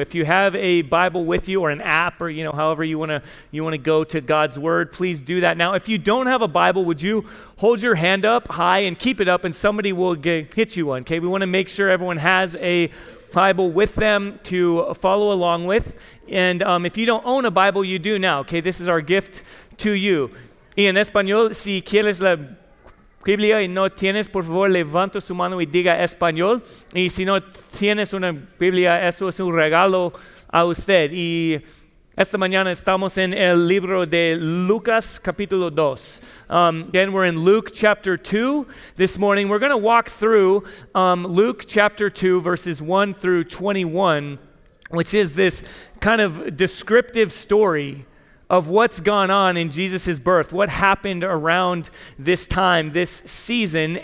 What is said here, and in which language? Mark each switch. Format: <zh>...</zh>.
<en>If you have a Bible with you or an app or, you know, however you want to go to God's word, please do that. Now, if you don't have a Bible, would you hold your hand up high and keep it up and somebody will hit you one, okay? We want to make sure everyone has a Bible with them to follow along with. And if you don't own a Bible, you do now, okay? This is our gift to you.</en> <es>Y en español, si quieres la Biblia y no tienes, por favor, levanta su mano y diga español. Y si no tienes una Biblia, eso es un regalo a usted. Y esta mañana estamos en el libro de Lucas, capítulo 2.</es> <en>Again, we're in Luke chapter 2 this morning. We're going to walk through Luke chapter 2, verses 1 through 21, which is this kind of descriptive story of what's gone on in Jesus' birth, what happened around this time, this season.</en>